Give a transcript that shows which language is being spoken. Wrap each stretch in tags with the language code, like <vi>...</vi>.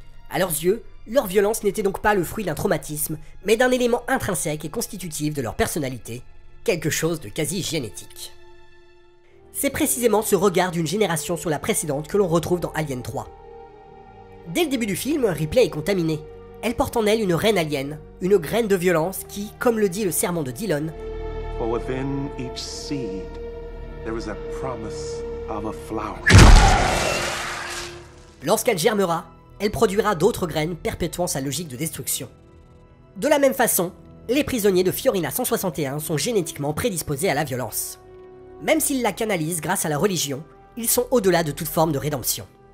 <fr>À leurs yeux, leur violence n'était donc pas le fruit d'un traumatisme, mais d'un élément intrinsèque et constitutif de leur personnalité, quelque chose de quasi génétique. C'est précisément ce regard d'une génération sur la précédente que l'on retrouve dans Alien 3. Dès le début du film, Ripley est contaminée. Elle porte en elle une reine alien, une graine de violence qui, comme le dit le serment de Dillon,</fr> <en>For within each seed, there is a promise of a flower.</en> <fr>Lorsqu'elle germera, elle produira d'autres graines perpétuant sa logique de destruction. De la même façon, les prisonniers de Fiorina 161 sont génétiquement prédisposés à la violence. Même s'ils la canalisent grâce à la religion, ils sont au-delà de toute forme de rédemption.</fr>